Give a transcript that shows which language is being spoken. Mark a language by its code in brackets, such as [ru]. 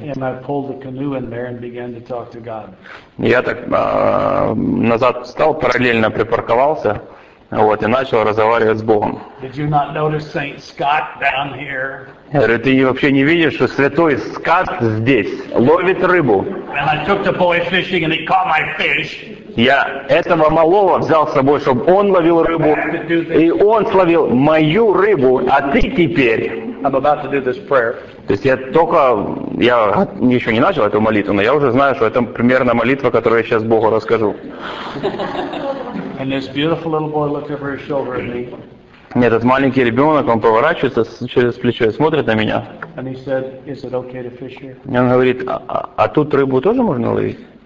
[en] And I pulled the canoe in there and began to talk to God. [ru] Я так назад встал, параллельно припарковался, вот, и начал разговаривать с Богом. [en] Did you not notice Saint Scott down here? [ru] Я говорю, ты вообще не видишь, что святой Скат здесь ловит рыбу? [en] And I took the boy fishing and he caught my fish. [ru] Я этого малого взял с собой, чтобы он ловил рыбу, и он словил мою рыбу, а ты теперь... [en] I'm about to do this prayer. [ru] То есть я еще не начал эту молитву, но я уже знаю, что это примерно молитва, которую я сейчас Богу расскажу. [en] And this beautiful little boy looked over his shoulder at me. [ru] Нет, этот маленький ребенок, он поворачивается через плечо и смотрит на меня. [en] And he said, "Is it okay to fish here?" [ru] И он говорит, а тут рыбу тоже можно ловить?